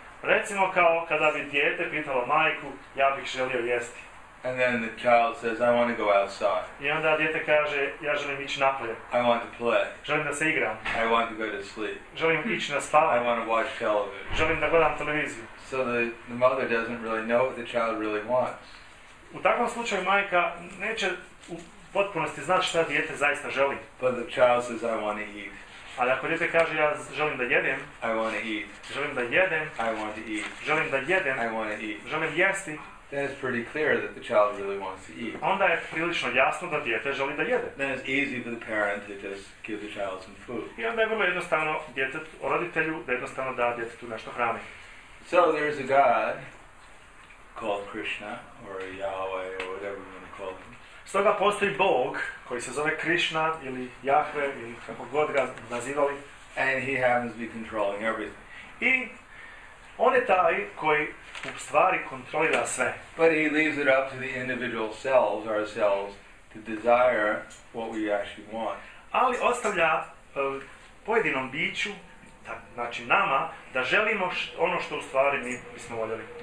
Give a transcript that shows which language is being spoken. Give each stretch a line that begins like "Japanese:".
Bosnian: Recimo kao kada bi dijete pitalo majku, ja bih želio jesti.
English: And then the child says, I want to go outside.
Bosnian: I onda dijete kaže, ja želim ići napolje.
English: I want to play.
Bosnian: Želim da se igram.
English: I want to go to sleep.
Bosnian: Želim ići na spavanje.
English: I want to watch television.
Bosnian: Želim da gledam televiziju.
English: So the mother doesn't really know what the child really wants.
Bosnian: U takvom slučaju majka neće u potpunosti znati šta dijete zaista želi.
English: But the child says, I want to eat.
Bosnian: Ali ako dijete kaže, ja želim da jedem.
English: I want to eat.
Bosnian: Želim da jedem.
English: I want to eat.
Bosnian: Želim da jedem.
English: I want to eat.
Bosnian: Želim jesti.
English: Then it's pretty clear that the child really wants to eat.
Bosnian: Onda je prilično jasno da dijete želi da jede.
English: Then it's easy for the parent to just give the child some food.
Bosnian: I onda je vrlo jednostavno roditelju da jednostavno da djetetu nešto hrani.
English: So there's a God called Krishna, or Yahweh, or whatever you want to call him.
Bosnian: Stoga postoji Bog, koji se zove Krishna, ili Jahve, ili kako god ga nazivali.
English: And he happens to be controlling everything.
Bosnian: I on je taj koji u stvari kontrolira sve.
English: But he leaves it up to the individual selves, ourselves, to desire what we actually want.
Bosnian: Ali ostavlja pojedinom biću, znači nama, da želimo ono što u stvari mi bismo voljeli.